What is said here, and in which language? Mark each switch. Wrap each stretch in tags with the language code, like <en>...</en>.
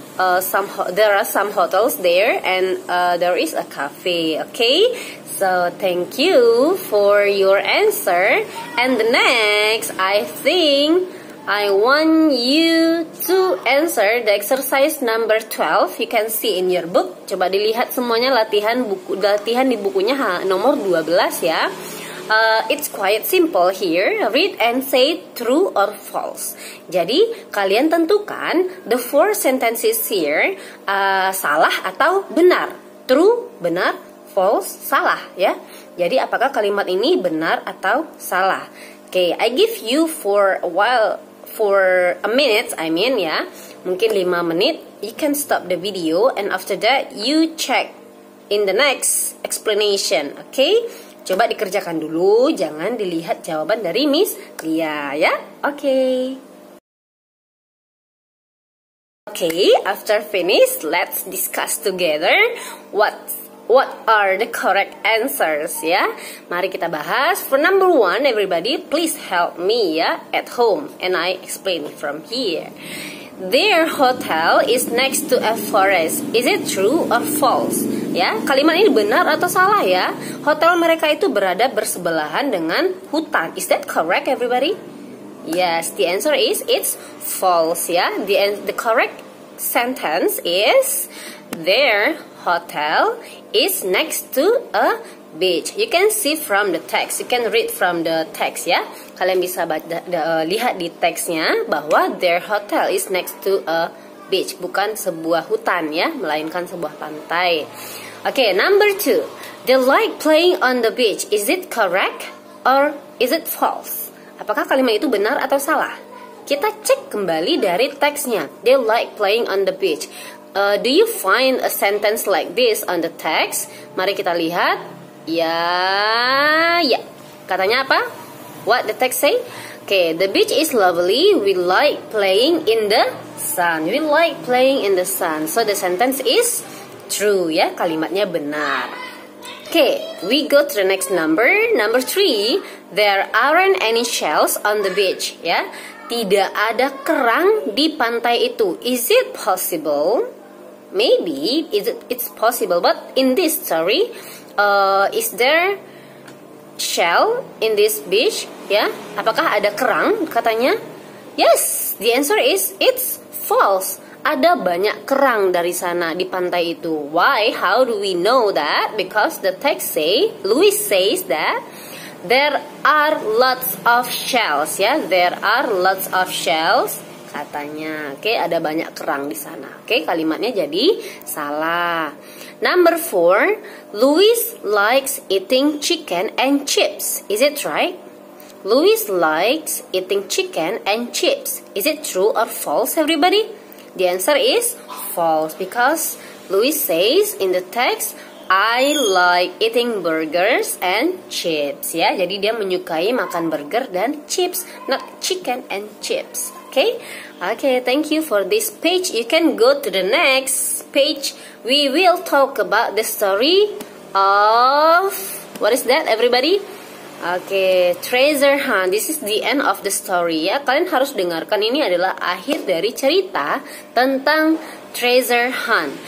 <en>There are some hotels there, and there is a cafe. Okay, so thank you for your answer. And the next, I think I want you to answer the exercise number 12. You can see in your book.</en> <id>Coba dilihat semuanya latihan di bukunya nomor 12 ya.</id> <en>It's quite simple here. Read and say true or false.</en> <id>Jadi kalian tentukan</id> <en>the four sentences here</en> <id>salah atau benar.</id> <en>True,</en> <id>benar,</id> <en>false,</en> <id>salah ya. Jadi apakah kalimat ini benar atau salah?</id> <en>Okay, I give you for a minute,</en> <id>mungkin 5 menit,</id> <en>you can stop the video, and after that, you check in the next explanation, okay?</en> <id>Coba dikerjakan dulu, jangan dilihat jawaban dari Miss Lia, ya? Okay.</id> <en>Okay, after finish, let's discuss together what are the correct answers, ya?</en> <id>Mari kita bahas.</id> <en>For number one, everybody, please help me, ya, at home. And I explain from here. Their hotel is next to a forest. Is it true or false?</en> <id>Ya, kalimat ini benar atau salah, ya? Hotel mereka itu berada bersebelahan dengan hutan.</id> <en>Is that correct, everybody? Yes, the answer is it's false, ya? The correct sentence is their hotel is next to a beach. You can see from the text. You can read from the text, ya.</en> <id>Kalian bisa lihat di teksnya bahwa</id> <en>their hotel is next to a beach.</en> <id>Bukan sebuah hutan, ya. Melainkan sebuah pantai.</id> <en>Okay, number two. They like playing on the beach. Is it correct or is it false?</en> <id>Apakah kalimat itu benar atau salah? Kita cek kembali dari teksnya.</id> <en>They like playing on the beach. Do you find a sentence like this on the text?</en> <id>Mari kita lihat. Ya. Katanya apa?</id> <en>What the text say? Okay, the beach is lovely. We like playing in the sun. We like playing in the sun. So the sentence is true, ya.</en> <id>Kalimatnya benar.</id> <en>Okay, we go to the next number. Number three. There aren't any shells on the beach, ya.</en> <id>Tidak ada kerang di pantai itu.</id> <en>Is it possible? Maybe it's possible, but in this story, is there shell in this beach?</en> <id>Yeah, apakah ada kerang? Katanya, yes.</id> <en>The answer is it's false.</en> <id>Ada banyak kerang dari sana di pantai itu.</id> <en>Why? How do we know that? Because the text say Louis says that there are lots of shells. Yeah, there are lots of shells.</en> <id>Katanya, oke, okay, ada banyak kerang di sana. Oke, okay, kalimatnya jadi salah.</id> <en>Number 4, Louis likes eating chicken and chips. Is it right? Louis likes eating chicken and chips. Is it true or false, everybody? The answer is false, because Louis says in the text, I like eating burgers and chips.</en> <id>Ya, jadi dia menyukai makan burger dan chips,</id> <en>not chicken and chips. Okay, thank you for this page. You can go to the next page. We will talk about the story of... What is that, everybody? Okay, treasure hunt. This is the end of the story, ya.</en> <id>Kalian harus dengarkan, ini adalah akhir dari cerita tentang treasure hunt.</id>